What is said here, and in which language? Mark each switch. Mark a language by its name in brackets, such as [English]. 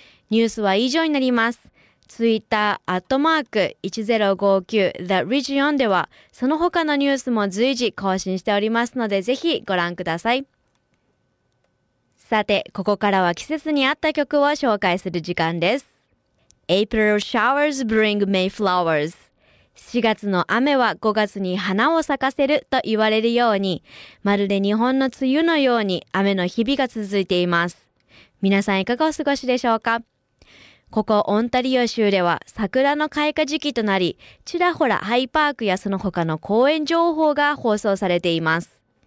[Japanese] ニュースは以上になります。Twitter @1059theregion では、その他のニュースも随時更新しておりますので、ぜひご覧ください。さて、ここからは季節に合った曲を紹介する時間です。 [English] April showers bring May flowers. [Japanese] 4月の雨は5月に花を咲かせると言われるように、まるで日本の梅雨のように雨の日々が続いています。皆さんいかがお過ごしでしょうか？ここオンタリオ州では桜の開花時期となり、ちらほらハイパークやその他の公園情報が放送されています。